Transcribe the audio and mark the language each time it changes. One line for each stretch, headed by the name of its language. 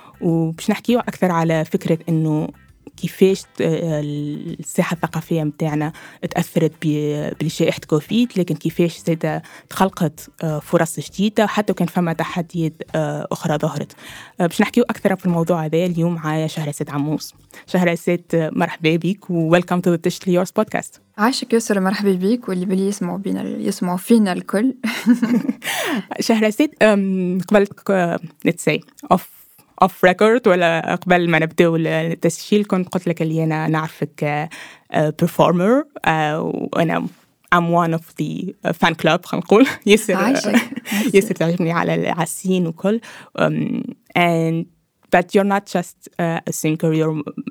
Arabic: وباش نحكيو أكثر على فكرة إنه كيفاش الساحة الثقافية متاعنا تأثرت بجائحة كوفيد، لكن كيفاش زادة تخلقت فرص جديدة حتى وكان فما تحديات أخرى ظهرت. باش نحكيو أكثر في الموضوع هذا اليوم معايا شهرزاد عموس. شهرزاد مرحبا بك و
English: welcome to the Digital Yours Podcast.
Arabic: عايشك ياسر، مرحبا بيك واللي بلي يسمعوا فينا الكل. شهرزاد قبلك
English: let's say off record
Arabic: ولا قبل ما نبدأ التسجيل، كنت قلت لك اللي أنا نعرفك performer وأنا
English: I'm one of the fan club،
Arabic: خنقول يسر تعجبني على العسين وكل
English: and but you're not just a singer، you're